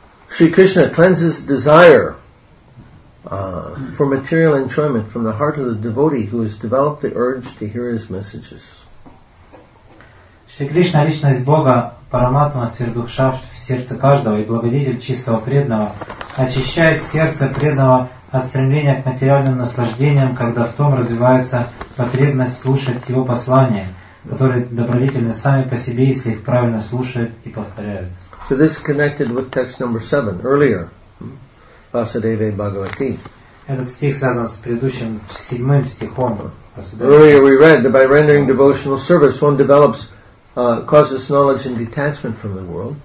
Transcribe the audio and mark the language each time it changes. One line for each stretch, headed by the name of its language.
English: Шри Кришна cleanses desire for material enjoyment from the heart of the devotee who has developed the urge to hear his messages.
Russian: Шри Кришна, личность Бога, параматма свердукша в сердце каждого и благодетель чистого преданного, очищает сердце преданного от стремления к материальным наслаждениям, когда в том развивается потребность слушать его послания, которые добродетельны сами по себе, если их правильно слушают и повторяют.
English: So this is connected with text number 7 earlier, Vasudeva Bhagavati.
Russian: Этот стих связан с предыдущим седьмым стихом.
English: Earlier we read that by rendering devotional service, one develops causes knowledge and detachment from the world.